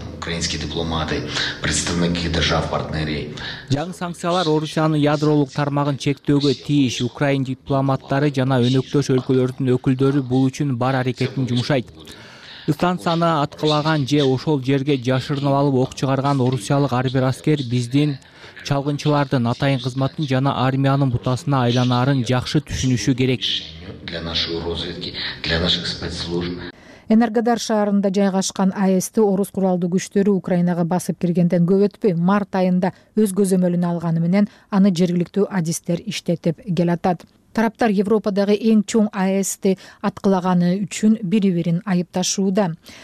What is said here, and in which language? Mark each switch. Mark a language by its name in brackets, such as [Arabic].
[Russian] Украинские дипломаты, представители держав-партнерей. [Kyrgyz] Жаңы санкциялар Орусиянын ядролук тармагын чектөөгө тийиш. Украин дипломаттары жана өнөктөш өлкөлөрдүн өкүлдөрү бул үчүн бар аракетин жумшайт. Станцияны аткылаган же ошол жерге жашырынып алып ок чыгарган орусиялык ар бир аскер биздин чалгынчылардын атайын кызматын жана армиянын бутасына айланарын жакшы түшүнүшү керек. [Russian] Для нашей разведки, для наших спецслужб. [Kyrgyz] Энергодар шаарында жайгашкан АЭСти орус куралдуу күчтөрү Украинага басып киргенден көп өтпөй март айында өз көзөмөлүнө алганы менен аны жергиликтүү адистер иштетип келатат. Тараптар Европадагы эң чоң АЭСти аткылаганы үчүн бири-бирин айыпташууда.